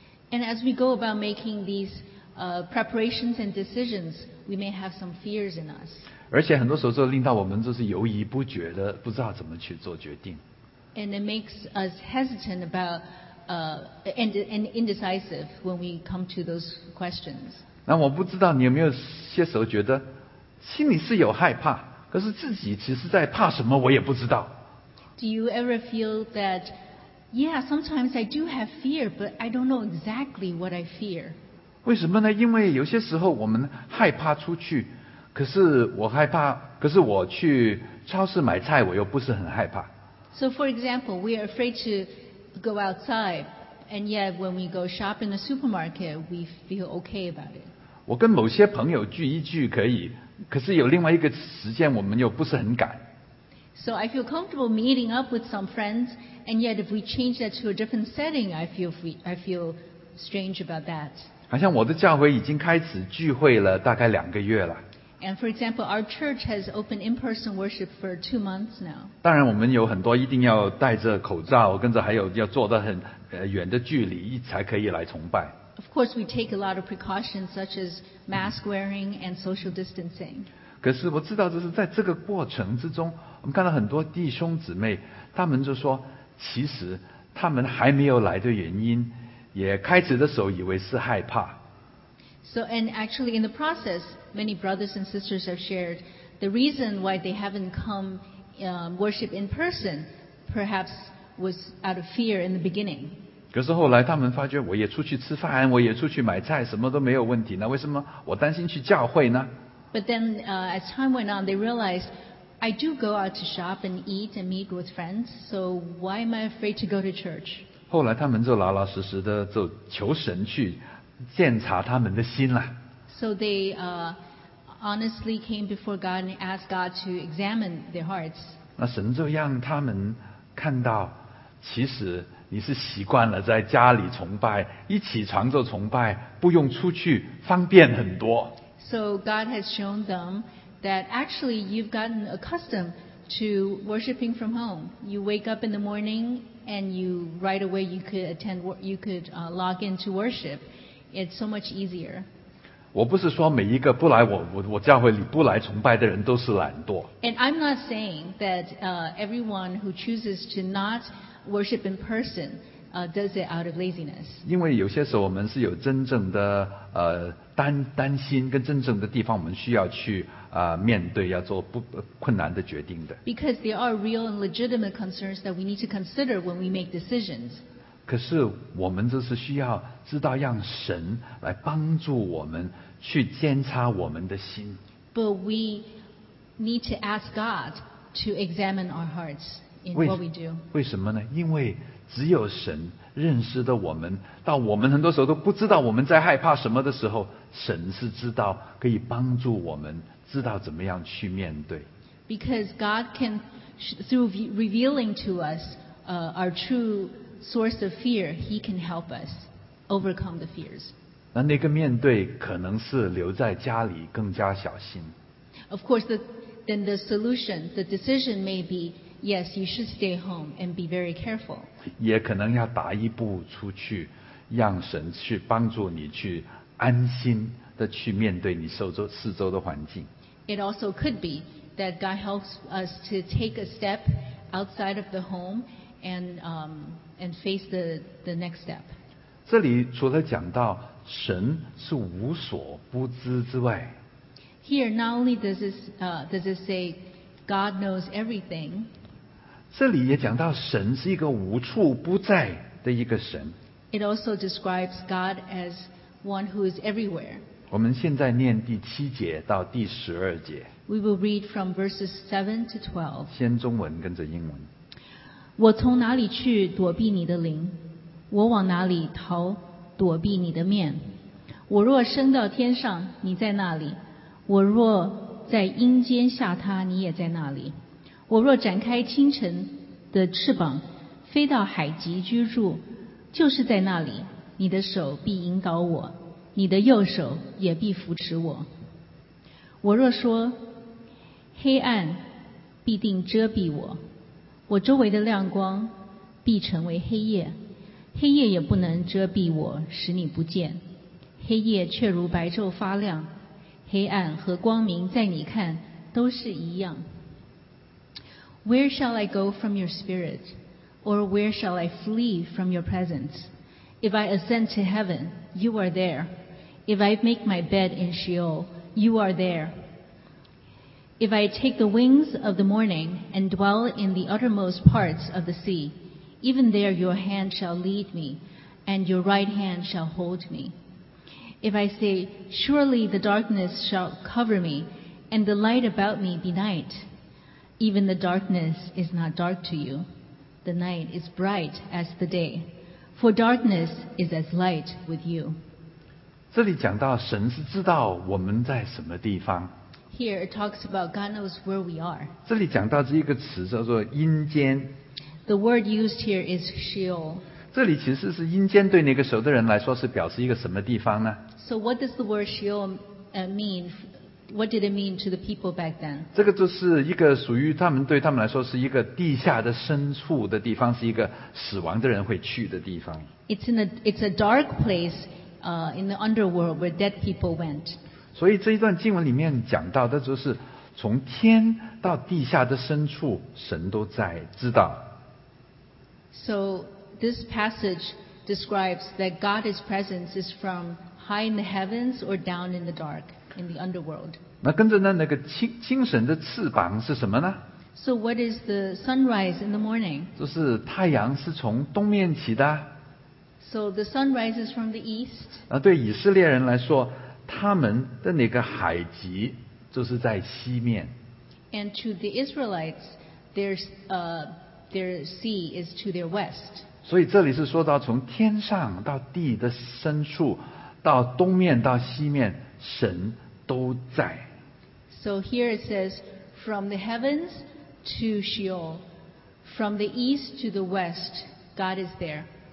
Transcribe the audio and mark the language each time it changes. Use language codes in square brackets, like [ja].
[en] And as we go about making these preparations and decisions, we may have some fears in us. [zh] 而且很多时候就令到我们就是犹疑不决的，不知道怎么去做决定。 [en] And it makes us hesitant about. And indecisive when we come to those questions. [zh] 那我不知道你有没有些时候觉得心里是有害怕，可是自己其实在怕什么我也不知道。 [en] Do you ever feel that, yeah, sometimes I do have fear, but I don't know exactly what I fear? [zh] 为什么呢？因为有些时候我们害怕出去，可是我害怕，可是我去超市买菜，我又不是很害怕。 [en] So for example, we are afraid to go outside, and yet when we go shop in the supermarket, we feel okay about it. [zh] 我跟某些朋友聚一聚可以，可是有另外一个时间我们又不是很敢。 [en] So I feel comfortable meeting up with some friends, and yet if we change that to a different setting, I feel strange about that. [zh] 好像我的教会已经开始聚会了大概两个月了。 [en] And for example, our church has opened in-person worship for 2 months now. [zh] 当然我们有很多一定要戴着口罩，跟着还有要坐得很远的距离才可以来崇拜。 [en] Of course, we take a lot of precautions such as mask wearing and social distancing. [zh] 可是我知道就是在这个过程之中，我们看到很多弟兄姊妹，他们就说，其实他们还没有来的原因，也开始的时候以为是害怕。 [en] So, and actually in the process, many brothers and sisters have shared the reason why they haven't come worship in person, perhaps was out of fear in the beginning. [zh] 可是后来他们发觉我也出去吃饭，我也出去买菜，什么都没有问题，那为什么我担心去教会呢？ [en] But then as time went on, they realized, I do go out to shop and eat and meet with friends, so why am I afraid to go to church? [zh] 后来他们就老老实实的就求神去检查他们的心了。 [en] So they honestly came before God and asked God to examine their hearts. [zh] 那神就让他们看到，其实你是习惯了在家里崇拜，一起床就崇拜，不用出去，方便很多。 [en] So God has shown them that actually you've gotten accustomed to worshiping from home. You wake up in the morning and you right away you could attend, you could log in to worship. It's so much easier. [zh] 我不是说每一个不来我教会里不来崇拜的人都是懒惰。 [en] And I'm not saying that everyone who chooses to not worship in person does it out of laziness. [zh] 因为有些时候我们是有真正的担心跟真正的地方我们需要去面对要做不困难的决定的。 [en] Because there are real and legitimate concerns that we need to consider when we make decisions. [zh] 可是我们就是需要知道让神来帮助我们去监察我们的心。 [en] But we need to ask God to examine our hearts in what we do. [zh] 为什么呢？因为只有神认识的我们，到我们很多时候都不知道我们在害怕什么的时候，神是知道，可以帮助我们知道怎么样去面对。 [en] Because God can, through revealing to us our true source of fear, He can help us overcome the fears. [zh] 那个面对可能是留在家里更加小心。 [en] Of course, the solution, the decision may be. Yes, you should stay home and be very careful. [zh] 也可能要打一步出去，让神去帮助你去安心的去面对你四周的环境。 [en] It also could be that God helps us to take a step outside of the home and face the next step. [zh] 这里除了讲到神是无所不知之外 [en] ，Here not only does it say God knows everything. [zh] 这里也讲到神是一个无处不在的一个神。 [en] It also describes God as one who is everywhere. [zh] 我们现在念第七节到第十二节。 [en] We will read from verses 7 to 12. [zh] 先中文跟着英文。我从哪里去躲避你的灵？我往哪里逃躲避你的面？我若升到天上，你在那里；我若在阴间下榻，你也在那里。我若展开清晨的翅膀，飞到海极居住，就是在那里，你的手必引导我，你的右手也必扶持我。我若说，黑暗必定遮蔽我，我周围的亮光必成为黑夜，黑夜也不能遮蔽我，使你不见。黑夜却如白昼发亮，黑暗和光明在你看都是一样。 [en] Where shall I go from your spirit? Or where shall I flee from your presence? If I ascend to heaven, you are there. If I make my bed in Sheol, you are there. If I take the wings of the morning and dwell in the uttermost parts of the sea, even there your hand shall lead me, and your right hand shall hold me. If I say, surely the darkness shall cover me, and the light about me be night, even the darkness is not dark to you. The night is bright as the day, for darkness is as light with you. [zh] 这里讲到神是知道我们在什么地方。 [en] Here it talks about God knows where we are. [zh] 这里讲到这一个词叫做阴间。 [en] The word used here is Sheol. [zh] 这里其实是阴间对那个熟的人来说是表示一个什么地方呢 [en] ？So what does the word Sheol mean? What did it mean to the people back then? [zh] 这个就是一个属于他们对他们来说是一个地下的深处的地方，是一个死亡的人会去的地方。 [en] It's a dark place, in the underworld where dead people went. [zh] 所以这一段经文里面讲到的就是从天到地下的深处，神都在知道。 [en] So this passage describes that God's presence is from high in the heavens or down in the dark, in the underworld. [zh] 那跟着呢，那个清晨的翅膀是什么呢 [en] ？So what is the sunrise in the morning? [zh] 就是太阳是从东面起的。 [en] So the sun rises from the east. [zh] 那对以色列人来说，他们的那个海极就是在西面。 [en] And to the Israelites, their sea is to their west. [zh] 所以这里是说到从天上到地的深处，到东面到西面，神都在。 [en] So here it says, from the heavens to Sheol, from the east to the west, God is there.